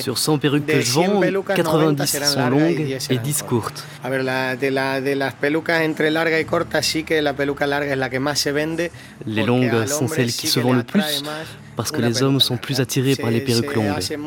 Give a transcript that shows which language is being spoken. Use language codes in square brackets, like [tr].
[fr] Sur 100 perruques que je vends, 90 sont longues et 10 courtes. [es] A ver, de las pelucas entre larga y corta, sí que la peluca larga es la que más se vende. [fr] Les longues sont celles qui se vendent le plus parce que les hommes sont plus attirés par les perruques longues.